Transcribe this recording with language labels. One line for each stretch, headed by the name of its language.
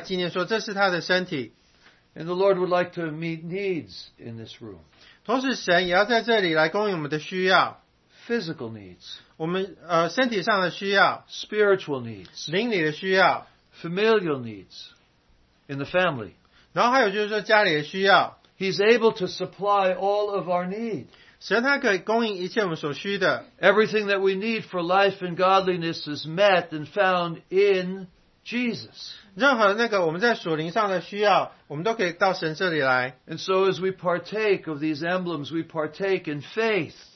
Chinese: 所以我们感恩就是说，我们时常可以来领这个饼跟领这个杯，然后来纪念说这是他的身体。
English: And the Lord would like to meet needs in this room.
Chinese: 同时神也要在这里来供应我们的需要。
English: Physical needs.
Chinese: 我们身体上的需要。
English: Spiritual needs.
Chinese: 灵里的需要。
English: Familial needs in the family.
Chinese: 然后还有就是说家里的需要。
English: He's able to supply all of our need.
Chinese: 神他可以供应一切我们所需的。
English: Everything that we need for life and godliness is met and found in Jesus.
Chinese: 任何那个我们在属灵上的需要，我们都可以到神这里来。
English: And so as we partake of these emblems, we partake in faith.